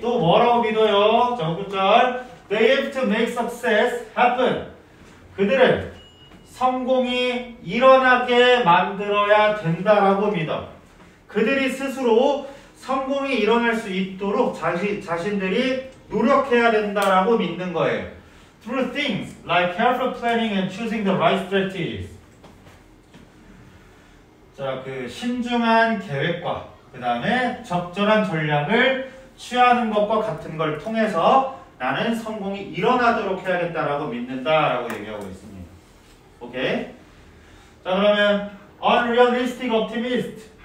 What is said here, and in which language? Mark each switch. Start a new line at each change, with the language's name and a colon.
Korean: 또 뭐라고 믿어요? 자, 목적절.
English: They have to make success happen.
Korean: 그들은 성공이 일어나게 만들어야 된다라고 믿어. 그들이 스스로 성공이 일어날 수 있도록 자신들이 노력해야 된다라고 믿는 거예요.
English: Through things like careful planning and choosing the right strategies.
Korean: 자, 그 신중한 계획과 그 다음에 적절한 전략을 취하는 것과 같은 걸 통해서 나는 성공이 일어나도록 해야겠다라고 믿는다라고 얘기하고 있습니다. 오케이? 자, 그러면
English: unrealistic optimist.